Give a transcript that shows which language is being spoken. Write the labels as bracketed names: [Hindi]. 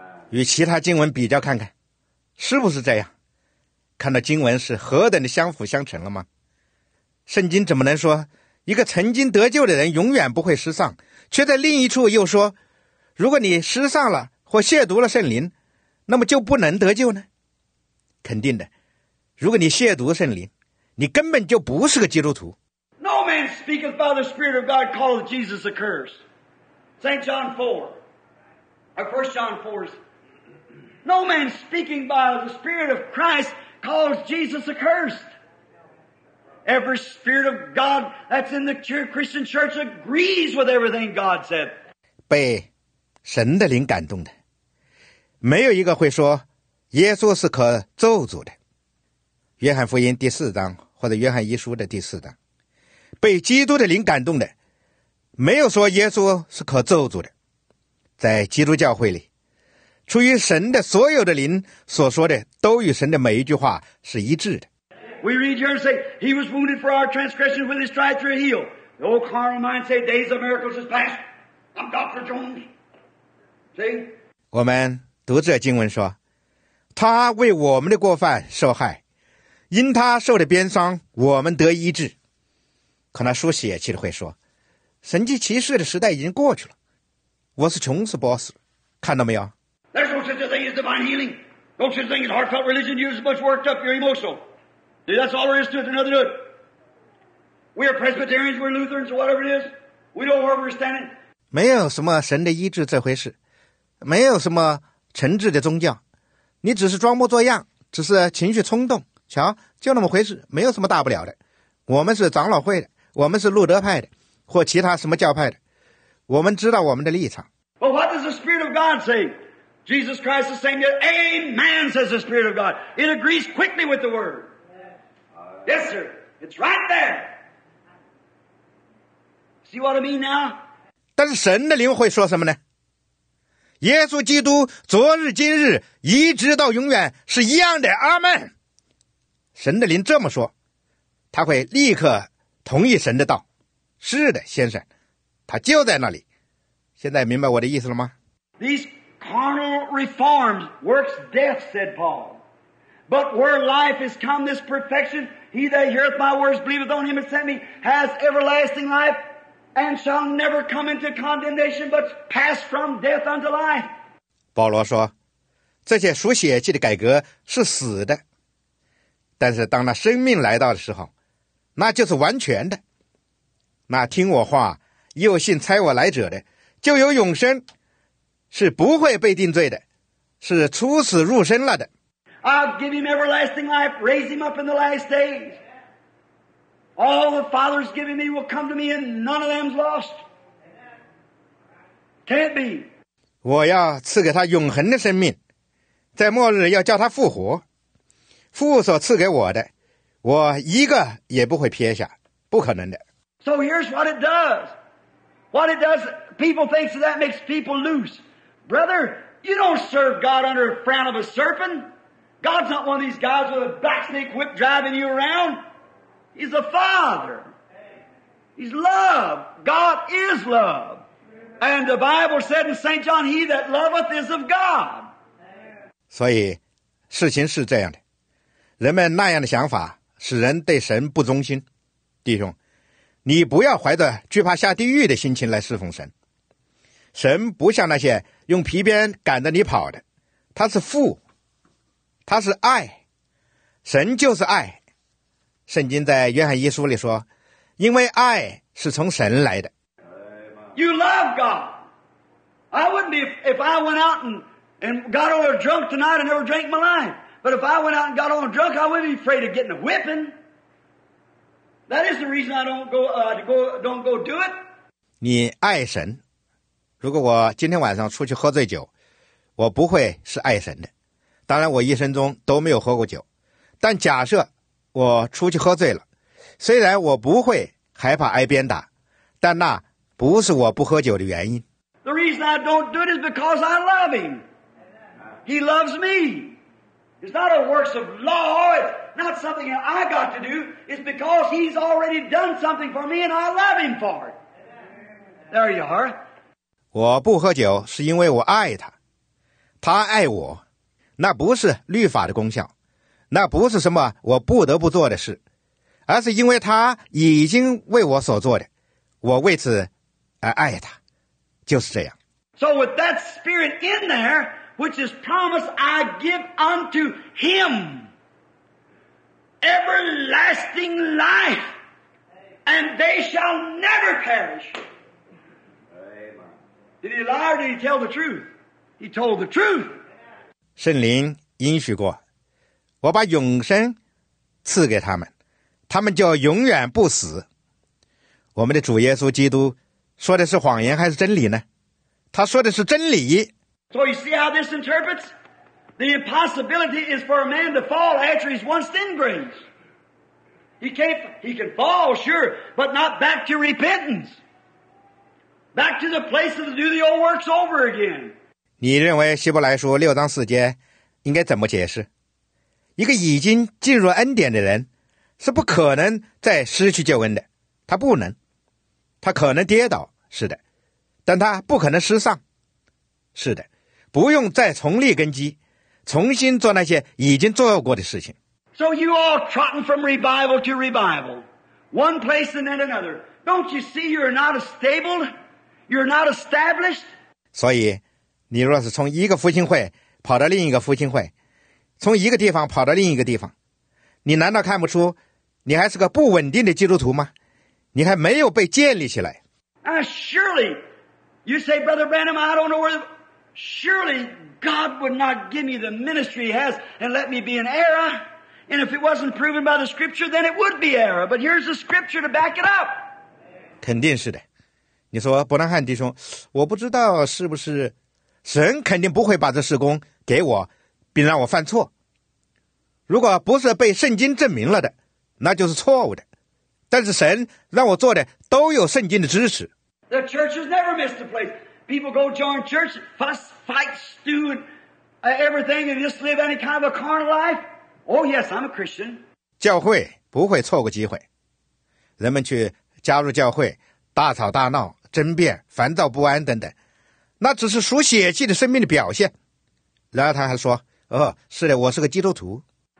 [Chinese] 与其他经文比较看看，是不是这样？看到经文是何等的相辅相成了吗？圣经怎么能说一个曾经得救的人永远不会失丧，却在另一处又说如果你失丧了或亵渎了圣灵，那么就不能得救呢？肯定的，如果你亵渎圣灵，你根本就不是个基督徒。 [English] No man speaketh by the Spirit of God called Jesus a curse. St. John 4 or 1 John 4 is, No man speaking by the Spirit of Christ calls Jesus accursed. Every spirit of God that's in the Christian church agrees with everything God said. [Chinese] 被神的灵感动的，没有一个会说耶稣是可咒诅的。约翰福音第四章或者约翰一书的第四章，被基督的灵感动的，没有说耶稣是可咒诅的。在基督教会里，出于神的所有的灵所说的都与神的每一句话是一致的。 [English] We read here and say, He was wounded for our transgressions with His stripes were healed. The old carnal mind say, Days of miracles is past. I'm Dr. Jones. See? [Chinese] 我们读这经文说，他为我们的过犯受害，因他受的鞭伤我们得医治。可那书写气的会说，神迹奇事的时代已经过去了，我是琼斯博士，看到没有？ [English] There's no such a thing as divine healing. No such a thing as heartfelt religion. You're as much worked up, you're emotional. See, that's all there is to it, another good. We are Presbyterians, we're Lutherans, or whatever it is. We know where we're standing. [Chinese] 没有什么神的医治这回事，没有什么诚挚的宗教，你只是装模作样，只是情绪冲动，瞧，就那么回事，没有什么大不了的。我们是长老会的，我们是路德派的，或其他什么教派的，我们知道我们的立场。 [English] Well, what does the Spirit of God say? Jesus Christ is saying that, Amen, says the Spirit of God. It agrees quickly with the Word. Yes, sir. It's right there. See what I mean now? [Chinese] 但是神的灵会说什么呢？耶稣基督昨日今日一直到永远是一样的，阿们。神的灵这么说，他会立刻同意神的道。是的，先生，他就在那里。现在明白我的意思了吗？ [English] These carnal reforms works death, said Paul. But where life is come this perfection, he that heareth my words, believeth on him that sent me, has everlasting life, and shall never come into condemnation, but pass from death unto life. [Chinese] 保罗说，这些属血气的改革是死的，但是当那生命来到的时候，那就是完全的。那听我话又信差我来者的就有永生，是不会被定罪的，是出死入生了的。 [English] I'll give him everlasting life, raise him up in the last day. All the Father's given me will come to me and none of them's lost. Can't be. [Chinese] 我要赐给他永恒的生命，在末日要叫他复活。父所赐给我的，我一个也不会撇下，不可能的。 [English] So here's what it does. What it does, people think so that makes people loose. Brother, you don't serve God under the frown of a serpent. God's not one of these guys with a blacksnake whip driving you around. He's the Father. He's love. God is love. And the Bible said in St. John, he that loveth is of God. [Chinese] 所以事情是这样的。人们那样的想法使人对神不忠心。弟兄，你不要怀着惧怕下地狱的心情来侍奉神。神不像那些用皮鞭赶着你跑的，他是父，他是爱，神就是爱。圣经在约翰一书里说，因为爱是从神来的。 [English] You love God. I wouldn't be if I went out and got on a drunk tonight and never drank in my life. But if I went out and got on a drunk, I wouldn't be afraid of getting a whipping. That is the reason I don't go do it. [Chinese] 你爱神，如果我今天晚上出去喝醉酒，我不会是爱神的。当然我一生中都没有喝过酒，但假设我出去喝醉了，虽然我不会害怕挨鞭打，但那不是我不喝酒的原因。 [English] The reason I don't do it is because I love him. He loves me. It's not a works of law. Not something I got to do. It's because he's already done something for me, and I love him for it. There you are. [Chinese] 我不喝酒是因为我爱他，他爱我，那不是律法的功效，那不是什么我不得不做的事，而是因为他已经为我所做的，我为此而爱他，就是这样。 [English] So with that spirit in there, which is promise I give unto him. Everlasting life, and they shall never perish. Did he lie or did he tell the truth? He told the truth. [Chinese] 圣灵应许过，我把永生赐给他们，他们就永远不死。我们的主耶稣基督说的是谎言还是真理呢？他说的是真理。 [English] So you see how this interprets? The impossibility is for a man to fall after he's once in grace. He can fall, sure, but not back to repentance. Back to the place to do the old works over again. [Chinese] 你认为希伯来书六章四节应该怎么解释？一个已经进入恩典的人是不可能再失去救恩的，他不能。他可能跌倒，是的，但他不可能失丧，是的，不用再重立根基。重新做那些已经做过的事情。 [English] So you all trotting from revival to revival, one place and then another. Don't you see you're not stable? You're not established? [Chinese] 所以你若是从一个复兴会跑到另一个复兴会，从一个地方跑到另一个地方，你难道看不出你还是个不稳定的基督徒吗？你还没有被建立起来。 [English] Surely, You say, Brother Branham, I don't know where... Surely God would not give me the ministry he has and let me be in error. And if it wasn't proven by the scripture, then it would be error. But here's the scripture to back it up. [Chinese] 肯定是的。你说伯南汉弟兄，我不知道是不是神肯定不会把这事工给我并让我犯错。如果不是被圣经证明了的，那就是错误的。但是神让我做的都有圣经的支持。 [English] The church has never missed a place. People go join church, fuss, fight, stew, and everything, and just live any kind of a carnal life. Oh yes, I'm a Christian. [Chinese] 教会不会错过机会。人们去加入教会，大吵大闹、争辩、烦躁不安等等，那只是属血气的生命的表现。然后他还说：“哦，是的，我是个基督徒。”